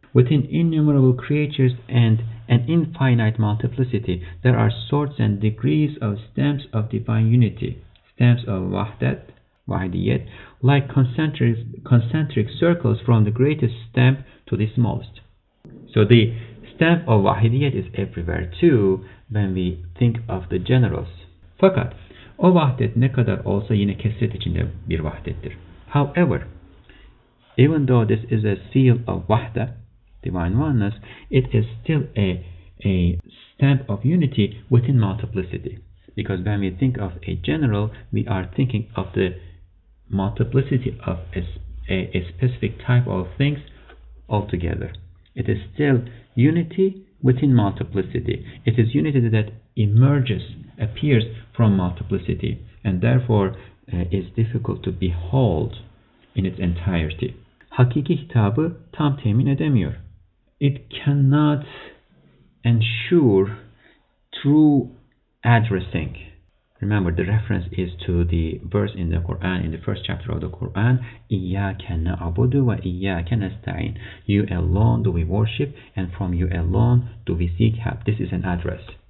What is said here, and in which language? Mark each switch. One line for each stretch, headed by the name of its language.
English: Within innumerable creatures and an infinite multiplicity, there are sorts and degrees of stamps of divine unity, stamps of wahdat, wahdiyat, like concentric circles from the greatest stamp to the smallest. So the stamp of wahdiyat is everywhere too when we think of the generals.
Turkish: Fakat o vahdet ne kadar olsa yine kesret içinde bir vahdettir.
English: However, even though this is a seal of vahda, divine oneness, it is still a stamp of unity within multiplicity. Because when we think of a general, we are thinking of the multiplicity of a specific type of things altogether. It is still unity within multiplicity. It is unity that emerges, appears from multiplicity, and therefore is difficult to behold in its entirety.
Turkish: Hakiki hitabı tam temin edemiyor.
English: It cannot ensure true addressing. Remember, the reference is to the verse in the Quran, in the first chapter of the Quran,
Arabic: إِيَّاكَ نَعْبُدُ وَإِيَّاكَ نَسْتَعِينَ.
English: You alone do we worship, and from you alone do we seek help. This is an address.